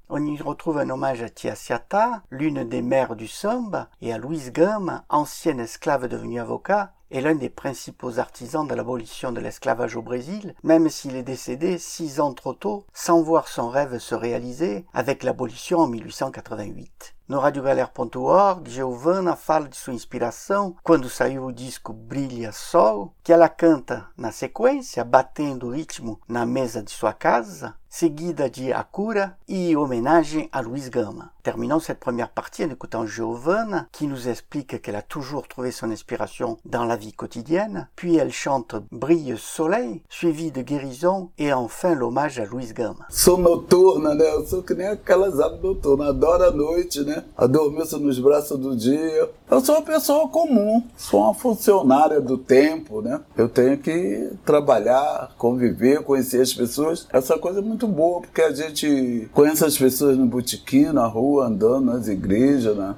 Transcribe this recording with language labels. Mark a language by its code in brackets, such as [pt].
[fr] On y retrouve un hommage à Tia Ciata, l'une des mères du Samba, et à Louise Gama, ancienne esclave devenue avocat, et l'un des principaux artisans de l'abolition de l'esclavage au Brésil, même s'il est décédé 6 ans trop tôt, sans voir son rêve se réaliser avec l'abolition en 1888. [pt] No RadioGalera.org, Giovanna fala de sua inspiração quando saiu o disco Brilha Sol, que ela canta na sequência, batendo o ritmo na mesa de sua casa, seguida de A Cura e homenagem a Luiz Gama. [fr] Terminons cette première partie en écoutant Giovanna, qui nous explique qu'elle a toujours trouvé son inspiration dans la vie quotidienne, puis elle chante Brilha Soleil, suivi de Guérison et enfin l'hommage à Luiz Gama. [pt] Sou noturna, né? Eu sou que nem aquelas aves noturnas, adoro a noite, né? Adormeço nos braços do dia. Eu sou uma pessoa comum, sou uma funcionária do tempo, né? Eu tenho que trabalhar, conviver, conhecer as pessoas. Essa coisa é muito boa, porque a gente conhece as pessoas no botequim, na rua, andando nas igrejas, né?